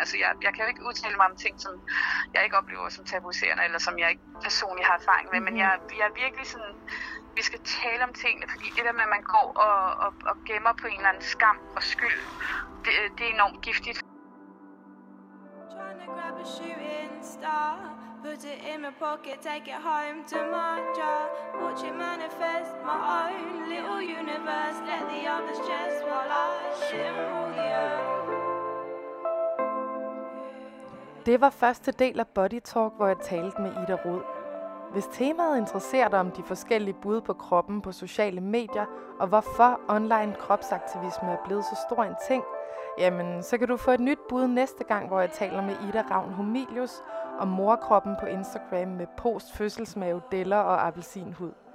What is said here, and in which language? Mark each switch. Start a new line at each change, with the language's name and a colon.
Danish: Altså, jeg kan jo ikke udtale mig om ting, som jeg ikke oplever som tabuiserende, eller som jeg ikke personligt har erfaring med, men jeg er virkelig sådan, vi skal tale om tingene, fordi det der med, at man går og gemmer på en eller anden skam og skyld, det er enormt giftigt.
English: Grab a shooting star, put it in my pocket, take it home to my jar. Watch it manifest my own little universe. Let the others just while I shimble you.
Danish: Det var første del af Body Talk, hvor jeg talte med Ida Rod. Hvis temaet interesserer dig om de forskellige bud på kroppen på sociale medier, og hvorfor online kropsaktivisme er blevet så stor en ting, jamen, så kan du få et nyt bud næste gang, hvor jeg taler med Ida Ravn Humilius om morkroppen på Instagram med postfødselsmave, deller og appelsinhud.